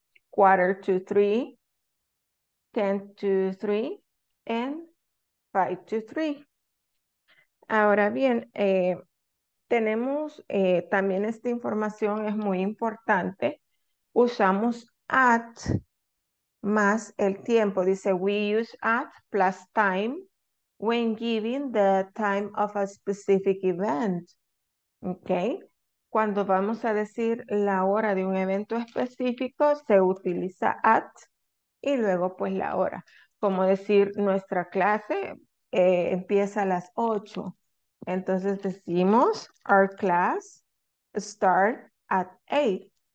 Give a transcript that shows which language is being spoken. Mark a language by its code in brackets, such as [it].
[en] Quarter to 3. 10 to 3. And 5 to 3. [es] Ahora bien, tenemos también esta información, es muy importante. Usamos at más el tiempo. Dice, [en] we use at plus time when giving the time of a specific event. ¿Ok? [es] Cuando vamos a decir la hora de un evento específico, se utiliza at y luego pues la hora. Como decir, nuestra clase empieza a las 8. Entonces decimos, [en] our class start at 8.